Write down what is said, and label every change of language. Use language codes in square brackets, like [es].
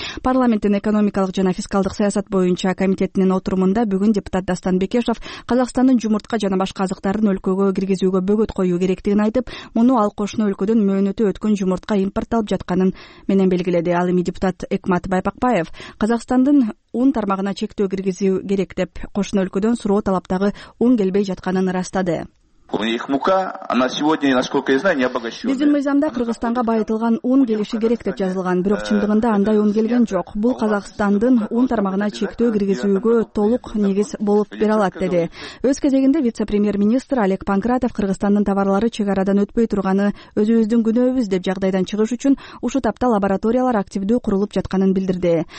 [ky] Парламенттин экономикалык жана фискалдык саясат боюнча комитетинин отурумунда бүгүн депутат Дастан Бекешов Казакстандын жумуртка жана башка азыктардын өлкөгө киргизүүгө бөгөт коюу керектигин айтып, муну ал кошуна өлкөдөн мөөнөтү өткөн жумуртка импортталып жатканын менен белгиледи. Ал эми депутат Экмат Байпакбаев Казакстандын ун тармагына чектөө киргизүү керек деп кошуна өлкөдөн суроо талаптагы ун келбей жатканын ырастады. [ru] У них мука, она сегодня, насколько я знаю, не обогащена. [ky] Биздин мыйзамда Кыргызстанга байытылган ун келиши керек деп жазылган, бирок чындыгында андай ун келген жок. Бул Казакстандын ун тармагына чектөө киргизүүгө толук негиз болуп бере алат деди. Өз кезегинде вице-премьер-министр Олег Панкратов Кыргызстандын товарлары чек арадан өтпөй турганы өзүбүздүн күнөөбүз деп жагдайдан чыгыш үчүн ушул тапта лабораториялар активдүү курулуп жатканын билдирди.